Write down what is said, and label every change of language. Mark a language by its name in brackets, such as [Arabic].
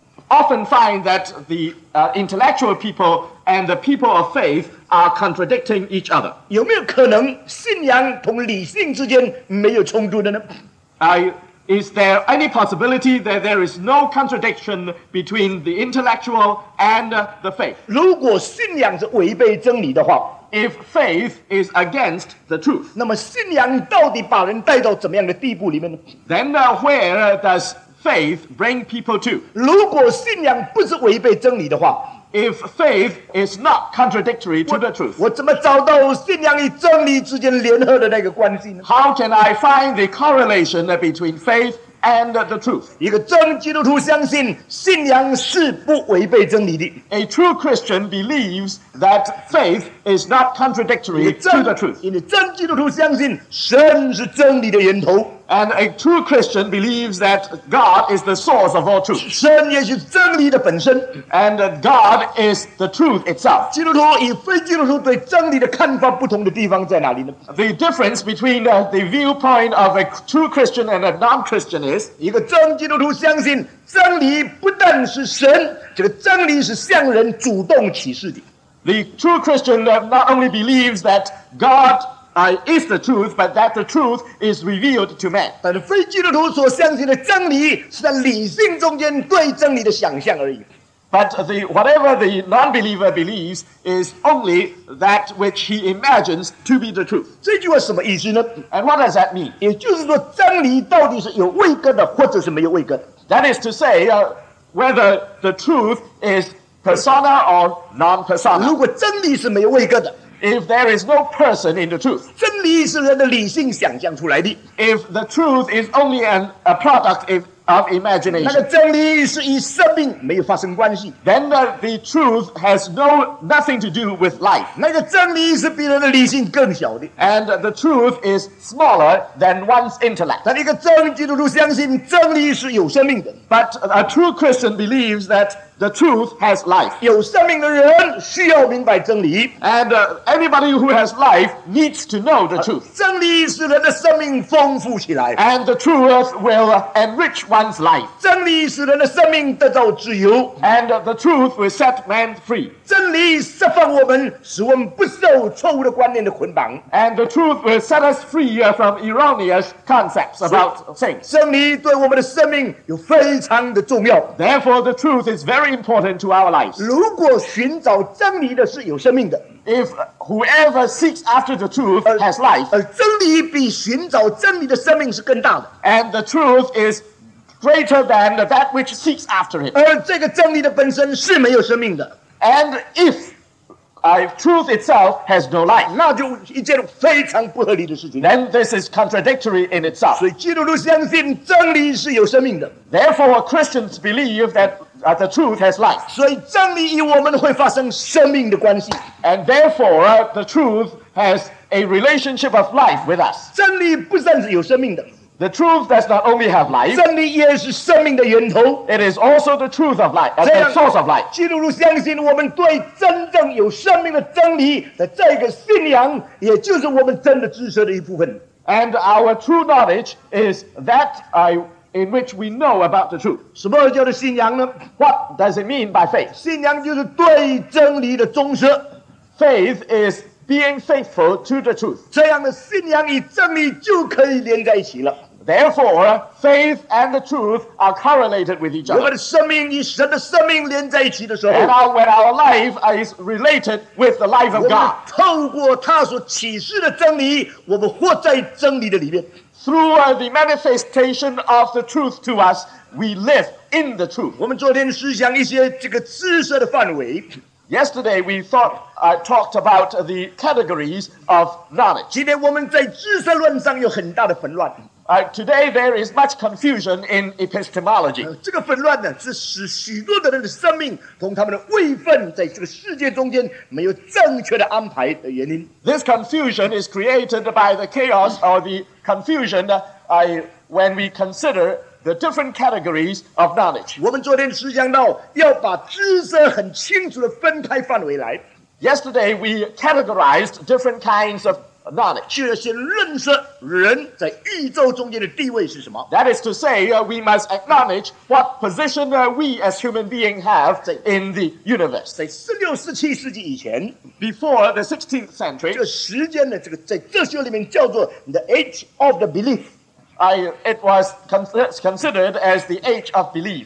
[English] Often find that the intellectual people and the people of faith are contradicting each other. [Chinese] 有没有可能信仰同理性之间没有冲突的呢？ [English] Is there any possibility that there is no contradiction between the intellectual and the faith? [Chinese] 如果信仰是违背真理的话， [English] If faith is against the truth, [Chinese] 那么信仰到底把人带到怎么样的地步里面呢？ [English] Then where does faith bring people to? [Chinese] 如果信仰不是违背真理的话， [English] If faith is not contradictory to the truth, [Chinese] 我怎么找到信仰与真理之间联合的那个关系呢？ [English] How can I find the correlation between faith and the truth? [Chinese] 一个真基督徒相信信仰是不违背真理的。 [English] A true Christian believes that faith is not contradictory to the truth. [Chinese] 因为真基督徒相信神是真理的源头。 [English] And a true Christian believes that God is the source of all truth. [Chinese] 神也是真理的本身。 [English] And God is the truth itself. [Chinese] 基督徒与非基督徒对真理的看法不同的地方在哪里呢？ [English] The difference between the viewpoint of a true Christian and a non-Christian is, [Chinese] 一个真基督徒相信真理不但是神，这个真理是向人主动启示的。 [English] The true Christian not only believes that God is the truth, but that the truth is revealed to man. [Chinese] 但是非基督徒所相信的真理是在理性中间对真理的想象而已。 [English] But whatever the non-believer believes is only that which he imagines to be the truth. [Chinese] 这句话什么意思呢？ [English] And what does that mean? [Chinese] 也就是说真理到底是有位格的或者是没有位格的。 [English] That is to say, whether the truth is persona or non-persona. [Chinese] 如果真理是没有位格的， [English] If there is no person in the truth, [Chinese] 真理是人的理性想象出来的。 [English] If the truth is only a product of imagination, [Chinese] 那个真理是与生命没有发生关系。 [English] Then the truth has nothing to do with life. [Chinese] 那个真理是比人的理性更小的。 [English] And the truth is smaller than one's intellect. [Chinese] 但一个真基督徒相信真理是有生命的。 [English] But a true Christian believes that the truth has life. [Chinese] 有生命的人需要明白真理。 [English] And anybody who has life needs to know the truth. [Chinese] 真理使人的生命丰富起来。 [English] And the truth will enrich one's life. [Chinese] 真理使人的生命得到自由。 [English] And the truth will set man free. [Chinese] 真理释放我们，使我们不受错误的观念的捆绑。 [English] And the truth will set us free from erroneous concepts about things. [Chinese] 真理对我们的生命有非常的重要。 [English] Therefore, the truth is very important to our lives. [Chinese] 如果寻找真理的是有生命的， [English] If whoever seeks after the truth has life, [Chinese] 真理比寻找真理的生命是更大的。 [English] And the truth is greater than that which seeks after it. [Chinese] 而这个真理的本身是没有生命的。 [English] And if truth itself has no life, [Chinese] 那就一件非常不合理的事情。 [English] Then this is contradictory in itself. [Chinese] 所以基督徒相信真理是有生命的。 [English] Therefore, Christians believe thatthe truth has life. [Chinese] 所以真理与我们会发生生命的关系。 [English] And therefore, the truth has a relationship of life with us. [Chinese] 真理不但是有生命的， [English] The truth does not only have life. [Chinese] 真理也是生命的源头。 [English] It is also the truth of life, as the source of life. [Chinese] 基督徒相信我们对真正有生命的真理的这个信仰，也就是我们真的知识的一部分。 [English] And our true knowledge is that in which we know about the truth. [Chinese] 什么叫做信仰呢？ [English] What does it mean by faith? [Chinese] 信仰就是对真理的忠实。 [English] Faith is being faithful to the truth. [Chinese] 这样的信仰与真理就可以连在一起了。 [English] Therefore, faith and the truth are correlated with each other. [Chinese] 我们的生命与神的生命连在一起的时候， [English] and when our life is related with the life of God, [Chinese] 我们透过他所启示的真理，我们活在真理的里面。 [English] Through the manifestation of the truth to us, we live in the truth. [Chinese] 我们昨天思想一些这个知识的范围。 [English] Yesterday, we talked about the categories of knowledge. [Chinese] 今天我们在知识论上有很大的纷乱。 [English] Today there is much confusion in epistemology. [Chinese] 这个纷乱呢，是使许多的人的生命同他们的位分在这个世界中间没有正确的安排的原因。 [English] This confusion is created by the chaos or the confusion when we consider the different categories of knowledge. [Chinese] 我们昨天思想到要把知识很清楚的分开范围来。 [English] Yesterday we categorized different kinds of knowledge. [Chinese] 就要先认识人在宇宙中间的地位是什么。 [English] That is to say, we must acknowledge what position we as human beings have in the universe. [Chinese] 在十六、十七世纪以前 [English] ，before the 16th century， [Chinese] 这个时间呢，这个在哲学里面叫做 [English] the age of the belief。 It was considered as the age of belief.